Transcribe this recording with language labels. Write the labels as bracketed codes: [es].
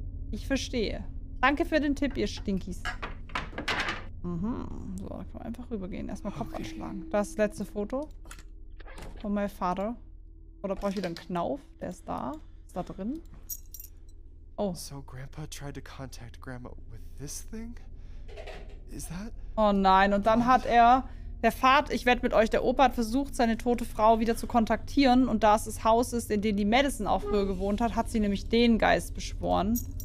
[de] Ich verstehe. Danke für den Tipp, ihr Stinkies. Mhm. So, da kann man einfach rübergehen. Erstmal Kopf anschlagen. Das ist das letzte Foto von meinem Vater. Oder brauche ich wieder einen Knauf? Der ist da. Ist da drin? Oh. [en] So, Grandpa tried to contact Grandma with this thing? Is that? [de] Oh nein, und dann hat er. Der Vater, ich wette mit euch, der Opa hat versucht, seine tote Frau wieder zu kontaktieren. Und da es das Haus ist, in dem die Madison auch früher gewohnt hat, hat sie nämlich den Geist beschworen.